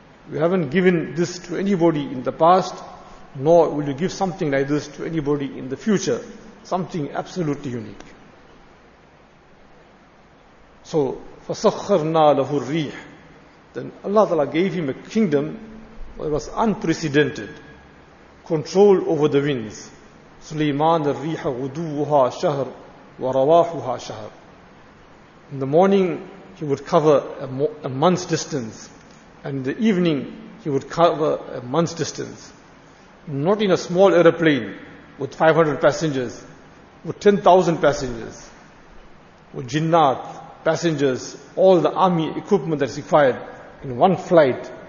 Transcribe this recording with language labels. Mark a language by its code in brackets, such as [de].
[en] We haven't given this to anybody in the past, nor will you give something like this to anybody in the future. Something absolutely unique. [ar] So, فَسَخَّرْنَا لَهُ الرِّيحِ. [en] Then Allah Ta'ala gave him a kingdom that was unprecedented. Control over the winds. [ar] سليمان الريح غدوها شهر ورواحها شهر. [en] In the morning, he would cover a month's distance. And in the evening, he would cover a month's distance. Not in a small aeroplane with 500 passengers, with 10,000 passengers, with jinnat, passengers, all the army equipment that is required in one flight.